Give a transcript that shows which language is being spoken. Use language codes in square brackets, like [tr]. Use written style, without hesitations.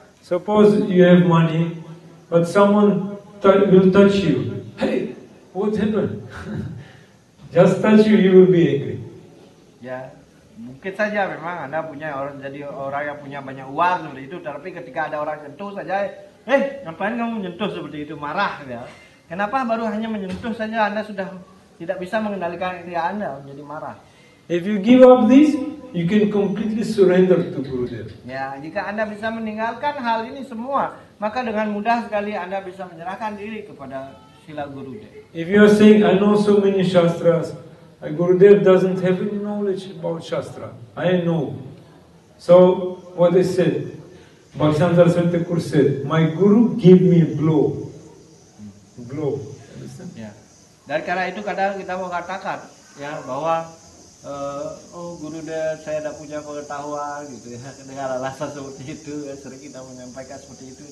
[en] Suppose you have money, but someone will touch you. Hey, what happened? Just touch you, you will be angry. [id] Ya, mungkin saja memang Anda punya orang, jadi orang yang punya banyak uang seperti itu, tapi ketika ada orang menyentuh saja, eh, ngapain kamu menyentuh seperti itu, marah ya. Kenapa baru hanya menyentuh saja Anda sudah tidak bisa mengendalikan diri Anda menjadi marah? [en] If you give up this, you can completely surrender to Gurudev. [id] Ya, jika Anda bisa meninggalkan hal ini semua, maka dengan mudah sekali Anda bisa menyerahkan diri kepada sila Gurudev. [en] If you are saying I know so many shastras, Gurudev doesn't have any knowledge about Shastra. I know. So, what I said, Bhaktisiddhanta Saraswati Thakur said, my Guru give me a blow. Blow. Understand? Yeah. [id] Dan karena itu kadang kita mau katakan, ya, bahwa, oh Gurudev, saya tidak punya pengetahuan, gitu ya, dengan alasan seperti itu, ya, sering kita menyampaikan seperti itu.